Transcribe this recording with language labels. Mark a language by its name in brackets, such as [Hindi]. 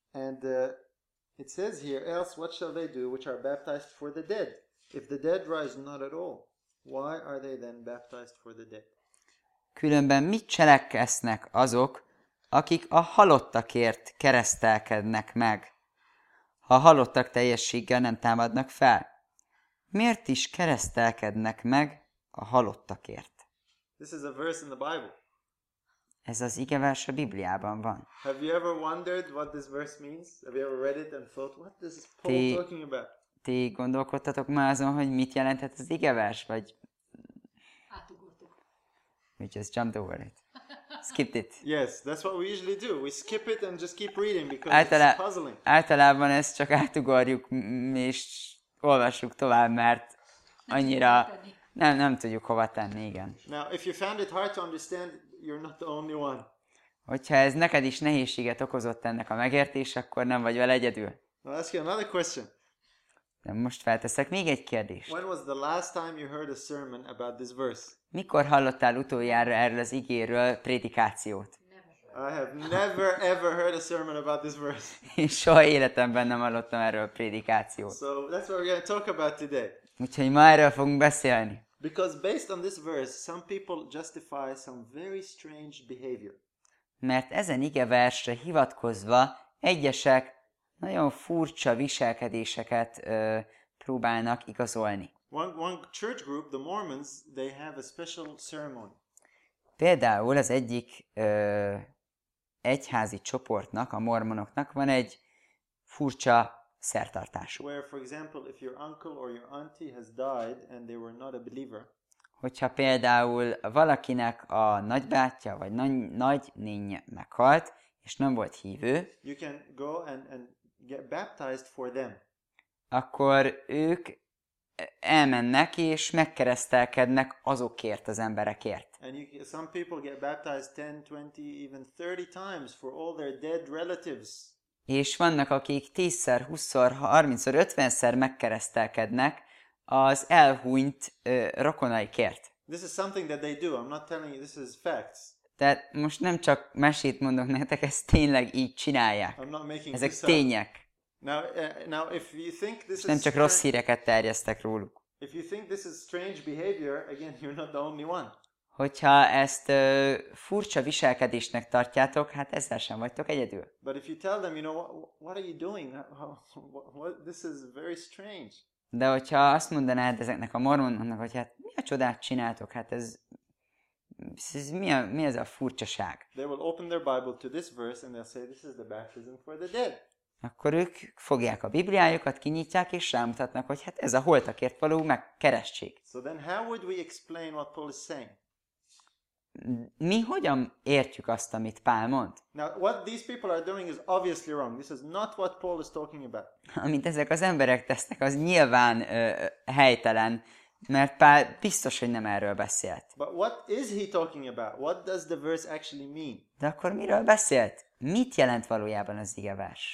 [English] And it says here, else what shall they do which are baptized for the dead, if the dead rise not at all? Why are they then baptized for the dead? [Hungarian] Különben mit cselekesznek azok, akik a halottakért keresztelkednek meg, ha a halottak teljességgel nem támadnak fel? Miért is keresztelkednek meg a halottakért? [English] This is a verse in the Bible. [Hungarian] Ez az igevers a Bibliában van. [English] Have you ever wondered what this verse means? Have you ever read it and thought, what is Paul talking about? [Hungarian] Ti gondolkodtatok már azon, hogy mit jelenthet az igevers, vagy... Átugortuk. [English] We just jumped over it. Skipped it. Yes, that's what we usually do. We skip it and just keep reading, because it's puzzling. [Hungarian] Általában ezt csak átugorjuk, és olvassuk tovább, mert annyira nem tudjuk hova tenni, igen. [English] Now, if you found it hard to understand, you're not the only one. [Hungarian] Hogyha ez neked is nehézséget okozott ennek a megértés, akkor nem vagy vele egyedül. [English] I'll ask you another question. [Hungarian] De most felteszek még egy kérdést. [English] When was the last time you heard a sermon about this verse? [Hungarian] Mikor hallottál utoljára erről az igéről prédikációt? [English] I have never ever heard a sermon about this verse. [Hungarian] Én soha életemben nem hallottam erről a prédikációt. [English] So that's what we're going to talk about today. [Hungarian] Úgyhogy ma erről fogunk beszélni. [English] Because based on this verse, some people justify some very strange behavior. [Hungarian] Mert ezen igeversre hivatkozva egyesek nagyon furcsa viselkedéseket próbálnak igazolni. [English] One church group, the Mormons, they have a special ceremony. [Hungarian] Például az egyik egyházi csoportnak, a mormonoknak van egy furcsa szertartásuk. [English] Where, for example, if your uncle or your auntie has died and they were not a believer. [Hungarian] Hogyha például valakinek a nagybátyja vagy nagynénye meghalt és nem volt hívő, [English] you can go and get baptized for them. [Hungarian] Akkor ők elmennek és megkeresztelkednek azokért az emberekért. [English] And some people get baptized 10, 20, even 30 times for all their dead relatives. [Hungarian] És vannak, akik 10-szer, 20-szor, 30-szor, 50-szer megkeresztelkednek az elhunyt rokonaikért. [English] This is something that they do. I'm not telling you, this is facts. [Hungarian] Tehát most nem csak mesét mondok nektek, ezt tényleg így csinálják. Ezek tények. [English] Now, if you think this [Hungarian] nem csak rossz híreket terjesztek róluk. [English] If you think this is strange behavior, again, you're not the only one. [Hungarian] Hogyha ezt furcsa viselkedésnek tartjátok, hát ezzel sem vagytok egyedül. [English] But if you tell them, you know, what are you doing? What, this is very strange. [Hungarian] De hogyha azt mondanád ezeknek a mormonoknak, hogy hát mi a csodát csináltok, hát ez... Mi ez a furcsaság? [English] They will open their Bible to this verse and they'll say this is the baptism for the dead. [Hungarian] Akkor ők fogják a Bibliájukat, kinyitják és rámutatnak, hogy hát ez a holtakért való megkeresztség. [English] So then how would we explain what Paul is saying? [Hungarian] Mi hogyan értjük azt, amit Pál mond? [English] Now what these people are doing is obviously wrong. This is not what Paul is talking about. [Hungarian] Amit ezek az emberek tesznek, az nyilván helytelen. Mert Pál biztos, hogy nem erről beszélt. [English] But what is he talking about? What does the verse actually mean? [Hungarian] De akkor miről beszélt? Mit jelent valójában az igevers?